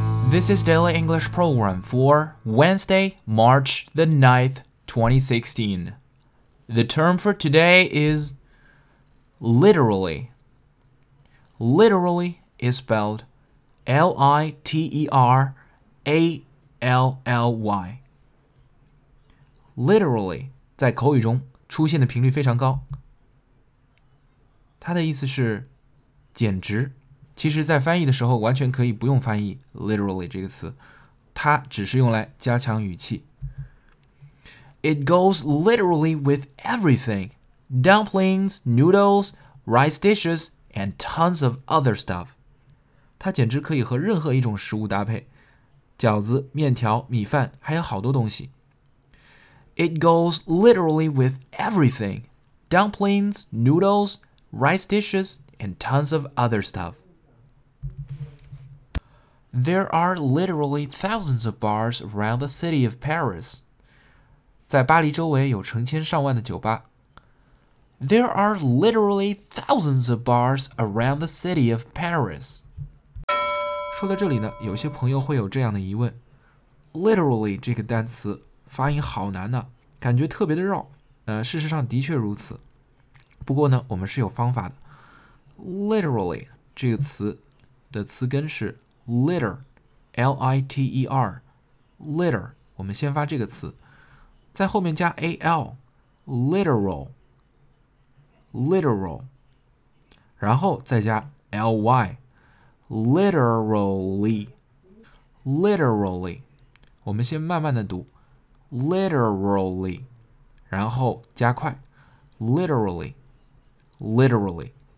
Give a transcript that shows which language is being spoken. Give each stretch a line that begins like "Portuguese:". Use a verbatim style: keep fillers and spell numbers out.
English: This is Daily English Program for Wednesday, March the ninth, twenty sixteen. The term for today is literally. Literally is spelled L I T E R A L L Y.
Chinese: Literally 在口语中出现的频率非常高。它的意思是简直。其实在翻译的时候完全可以不用翻译 literally 这个词，它只是用来加强语气。
English: It goes literally with everything. Dumplings, noodles, rice dishes, and tons of other stuff.
Chinese: 它简直可以和任何一种食物搭配，饺子、面条、米饭，还有好多东西。
English: It goes literally with everything. Dumplings, noodles, rice dishes, and tons of other stuff. There are literally thousands of bars around the city of Paris.
Chinese: 在巴黎周围有成千上万的酒吧。
English: There are literally thousands of bars around the city of Paris.
Chinese: 说到这里呢，有些朋友会有这样的疑问 ：literally 这个单词发音好难呢、啊，感觉特别的绕。呃，事实上的确如此。不过呢，我们是有方法的。 Literally 这个词的词根是。
English: Litter, L I T E R, litter,
Chinese: 我们先发这个词，在后面加
English: A L, literal, literal,
Chinese: 然后再加
English: L Y, literally, literally,
Chinese: 我们先慢慢的读 literally, 然后加快
English: literally, literally.